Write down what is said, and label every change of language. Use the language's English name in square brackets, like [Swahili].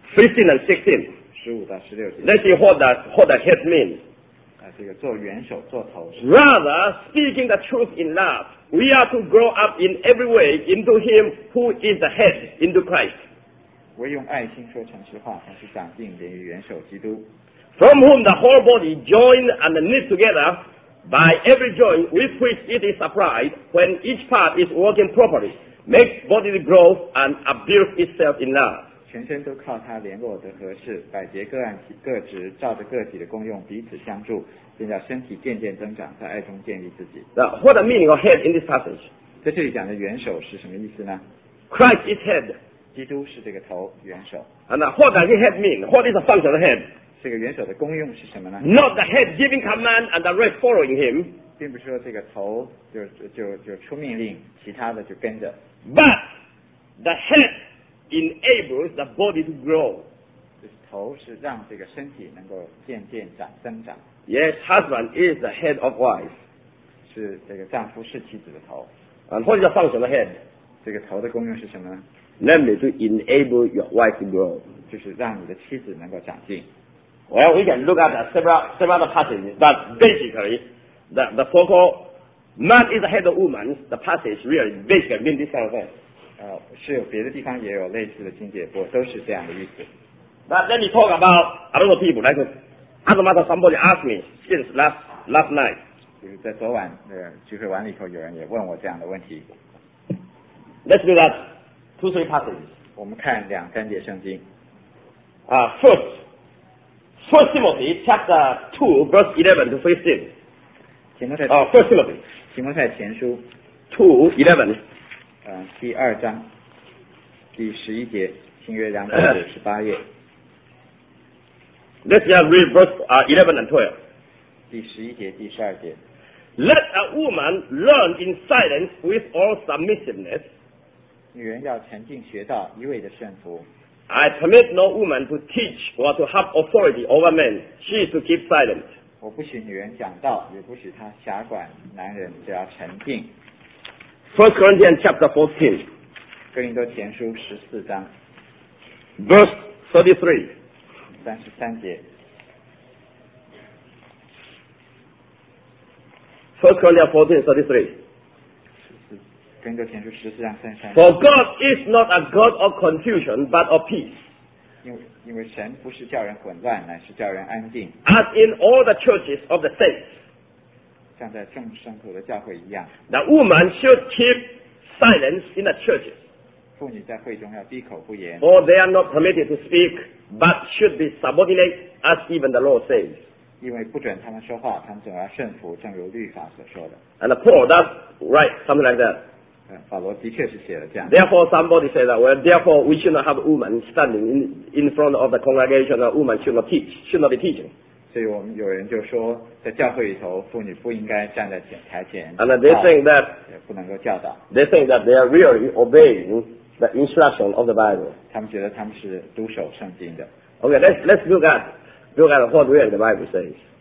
[English] 15 and 16. Let's see what the head means. [Chinese] 这个做元首做头。 [English] Rather, speaking the truth in love, we are to grow up in every way into him who is the head, into Christ. [Chinese] 唯用爱心说诚实话，乃是长进，连于元首基督。 [English] From whom the whole body joined and knit together by every joint with which it is supplied, when each part is working properly, makes bodily growth and abuse itself in love. [Chinese] 全身都靠他联络的合适，百节各按各职，照着个体的功用彼此相助，便叫身体渐渐增长，在爱中建立自己。 [English] Now, what the meaning of head in this passage? [Chinese] 在这里讲的元首是什么意思呢？ [English] Christ is head. [Chinese] 基督是这个头，元首。 [English] And what does the head mean? What is the function of the head? [Chinese] 这个元首的功用是什么呢？ [English] Not the head giving command and the rest following him. [Chinese] 并不是说这个头就出命令，其他的就跟着。 [English] But the head. Enables the body to grow. [Chinese] 头是让这个身体能够渐渐长增长。 [English] Yes, husband is the head of wife. [Chinese] 是这个丈夫是妻子的头。 [English] And what is the function of the head? [Chinese] 这个头的功用是什么呢？ [English] Namely, to enable your wife to grow. [Chinese] 就是让你的妻子能够长进。 [English] Well, we can look at several other passages, but basically, the focal man is the head of woman, the passage really basically means this kind of thing. [Chinese] 是有别的地方也有类似的经节，不都是这样的意思。 [English] But let me talk about other people. Like, as a matter of somebody asked me since last night. [Chinese] 就是在昨晚的聚会完了以后，有人也问我这样的问题。 [English] Let's look at two, three passages. [Chinese] 我们看两三节圣经。 [English] First Timothy chapter 2, verse 11 to 15. 1 Timothy. [Chinese] 提摩太前书。 [English] 2:11. [Chinese] 第二章第十一节新约298页 [English] Let's just read verse 11 and 12 [Chinese] 第十一节第十二节 [English] Let a woman learn in silence with all submissiveness [Chinese] 女人要沉静学道一味的顺服 [English] I permit no woman to teach or to have authority over men she is to keep silent [Chinese] 我不许女人讲道也不许她辖管男人只要沉静 [English] 1 Corinthians chapter 14 [Chinese] Corinthians 前书14章 [English] Verse 33 [Chinese] 33节 [English] 1 Corinthians 14, 33 [Chinese] Corinthians 前书14章33 [English] For God is not a God of confusion but of peace [Chinese] 因为神不是叫人混乱乃是叫人安静 [English] As in all the churches of the saints [Chinese] 像在众圣徒的教会一样 [English] The woman should keep silence in the churches [Chinese] 妇女在会中要闭口不言 [English] For they are not permitted to speak but should be subordinate as even the law says [Chinese] 因为不准他们说话他们总要顺服正如律法所说的 [English] And Paul does write something like that [Chinese] 保罗的确是写了这样 [English] Therefore somebody said that well therefore we should not have a woman standing in front of the congregation a woman should not teach should not be teaching [Chinese] 所以我们有人就说在教会里头妇女不应该站在台前 [English] And they think that [Chinese] 也不能够教导 [English] They think that they are really obeying the instruction of the Bible [Chinese] 他们觉得他们是读守圣经的 [English] OK let's look at what really the Bible says